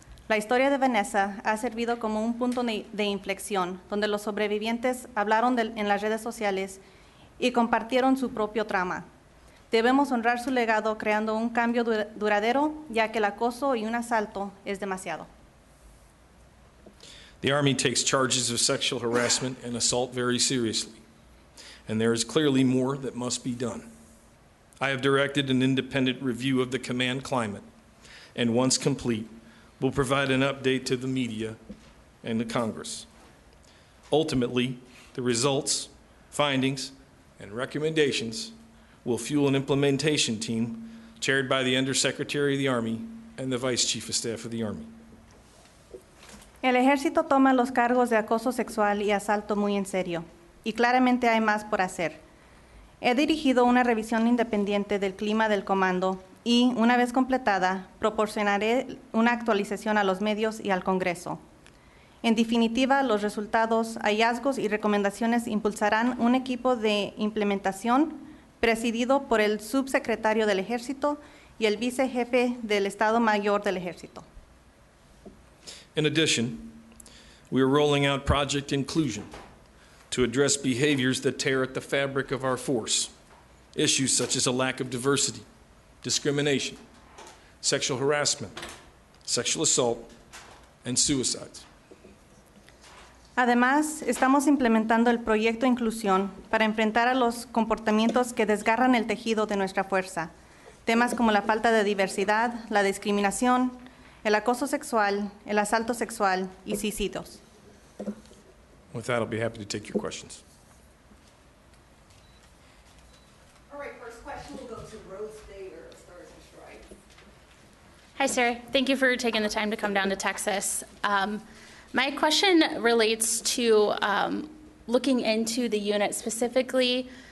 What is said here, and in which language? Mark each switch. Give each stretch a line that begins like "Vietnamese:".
Spanish: La historia de Vanessa ha servido como un punto de inflexión, donde los sobrevivientes hablaron en las redes sociales y compartieron su propio trauma. Debemos honrar su legado creando un cambio duradero, ya que el acoso y un asalto es demasiado.
English: The Army takes charges of sexual harassment and assault very seriously, and there is clearly more that must be done. I have directed an independent review of the command climate, and once complete, will provide an update to the media and the Congress. Ultimately, the results, findings, and recommendations will fuel an implementation team chaired by the Undersecretary of the Army and the Vice Chief of Staff of the Army.
Spanish: El ejército toma los cargos de acoso sexual y asalto muy en serio, y claramente hay más por hacer. He dirigido una revisión independiente del clima del comando y, una vez completada, proporcionaré una actualización a los medios y al Congreso. En definitiva, los resultados, hallazgos y recomendaciones impulsarán un equipo de implementación presidido por el subsecretario del Ejército y el vicejefe del Estado Mayor del Ejército.
English: In addition, we are rolling out Project Inclusion to address behaviors that tear at the fabric of our force, issues such as a lack of diversity, discrimination, sexual harassment, sexual assault, and suicides.
Spanish: Además, estamos implementando el proyecto Inclusión para enfrentar a los comportamientos que desgarran el tejido de nuestra fuerza, temas como la falta de diversidad, la discriminación, el acoso sexual, el asalto sexual y suicidios.
English: With that, I'll be happy to take your questions. All right, first question will go to Rose Dater of Stars and Stripes. Hi, sir. Thank you for taking the time to come down to Texas. My question relates to looking into the unit specifically.